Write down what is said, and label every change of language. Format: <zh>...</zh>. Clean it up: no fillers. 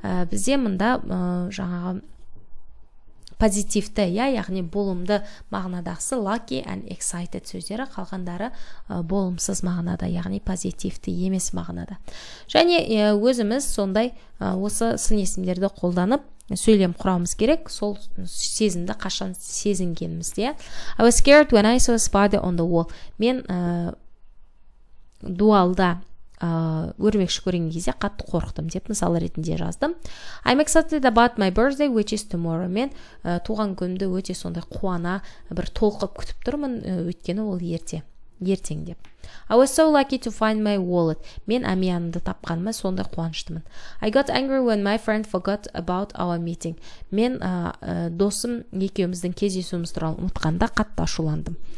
<kk>Бізде мында жаңағы позитивті, яғни болымды мағынадағысы lucky and excited сөздері, қалғандары болымсыз мағынада, яғни позитивті емес мағынада. Және өзіміз сондай осы сын есімдерді қолданып сөйлем құрауымыз керек, сол сезімді қашан сезінгенімізде.</kk> <en>I was scared when I saw a spider on the wall.</en> <kk>Мен дуалда өрмекші көрген кезде қатты қорықтым, деп мысал ретінде жаздым.</kk> <en>I'm excited about my birthday, which is tomorrow.</en> <kk>Мен туған күнімді өте сондай қуана бір толқып күтіп тұрмын, өйткені ол ертең, деп.</kk> <en>I was so lucky to find my wallet.</en> <kk>Мен әмиянымды тапқаныма сондай қуаныштымын.</kk> <en>I got angry when my friend forgot about our meeting.</en> <kk>Мен досым екеуміздің кездесуіміз туралы ұмытқанда қатты ашуландым.</kk>